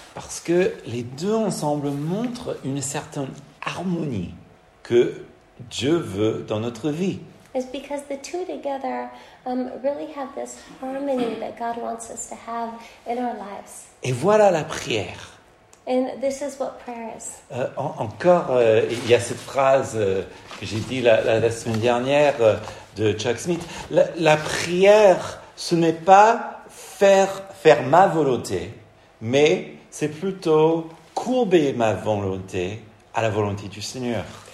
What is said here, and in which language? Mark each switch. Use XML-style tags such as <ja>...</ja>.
<fr>Parce que les deux ensemble montrent une certaine harmonie que Dieu veut dans notre vie.</fr> <en>It's because the two together really have this harmony that God wants us to have in our lives.</en> <fr>Et voilà la prière.</fr> <en>And this is what prayer is.</en> <fr>Encore, il y a cette phrase que j'ai dit la semaine dernière de Chuck Smith. La prière, ce n'est pas faire ma volonté, mais c'est plutôt courber ma volonté à la volonté du Seigneur.</fr>